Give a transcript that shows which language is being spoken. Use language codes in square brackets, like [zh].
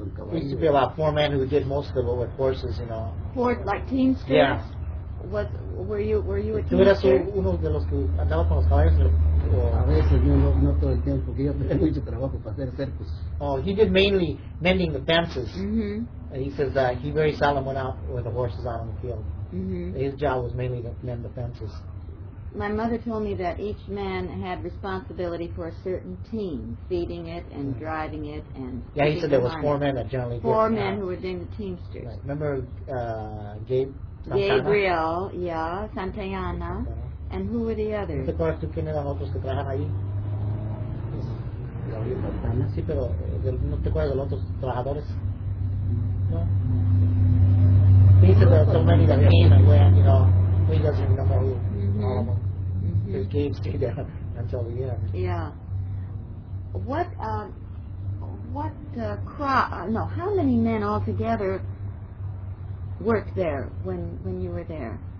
[en] There used to be about four men who did most of it with horses, you know. Four, like teamsters? Yeah. Were you a teamster? [es] Tú eras uno de los que andaba con los caballos. A veces, no todo el tiempo, porque yo tenía mucho trabajo para hacer cercos. [en] Oh, he did mainly mending the fences. Mm-hmm. And he says that he very seldom went out with the horses out on the field. Mm-hmm. His job was mainly to mend the fences. My mother told me that each man had responsibility for a certain team, feeding it and driving it and... Yeah, he said there was four men that generally... Four men who were named the Teamsters. Right. Remember Gabe Santana? Gabriel, yeah, Santayana. And who were the others? [es] ¿Te acuerdas tú quiénes eran otros que trabajaban ahí? Sí, pero ¿no te acuerdas de los otros trabajadores? No. [en] He said there were so many that came and went, you know, he doesn't even know who... His game stayed there until the end. Yeah. How many men altogether worked there when you were there?